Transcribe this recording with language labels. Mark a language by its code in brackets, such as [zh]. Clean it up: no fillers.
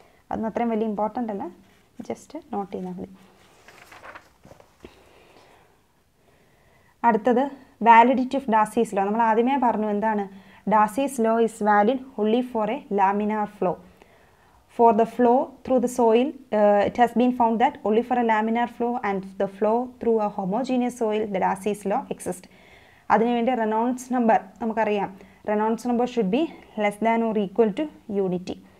[ml] അതൊന്നും അത്രയും വലിയ ഇമ്പോർട്ടൻ്റ് അല്ല, ജസ്റ്റ് നോട്ട് ചെയ്താൽ മതി. [en] അടുത്തത് validity of Darcy's law. [ml] നമ്മൾ ആദ്യമേ പറഞ്ഞു എന്താണ്, [en] Darcy's law is valid only for a laminar flow. for the flow through the soil, it has been found that only for a laminar flow and the flow through a homogeneous soil, the Darcy's law exists. [ml] അതിനുവേണ്ടി Reynolds number നമുക്കറിയാം, [en] Reynolds number should be less than or equal to unity.